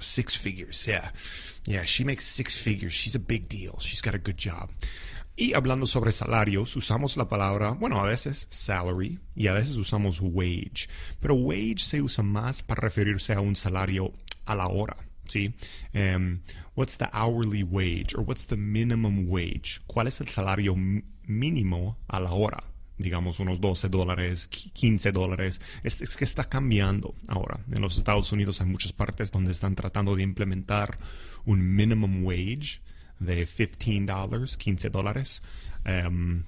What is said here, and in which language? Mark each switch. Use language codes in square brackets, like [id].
[en] Six figures, yeah. Yeah, she makes six figures. She's a big deal. She's got a good job. [es] Y hablando sobre salarios, usamos la palabra, bueno, a veces salary y a veces usamos wage. Pero wage se usa más para referirse a un salario a la hora, sí. [en] What's the hourly wage or what's the minimum wage? [es] ¿Cuál es el salario mínimo a la hora? Digamos unos $12, $15. Es que está cambiando ahora. En los Estados Unidos hay muchas partes donde están tratando de implementar un minimum wage de $15, $15.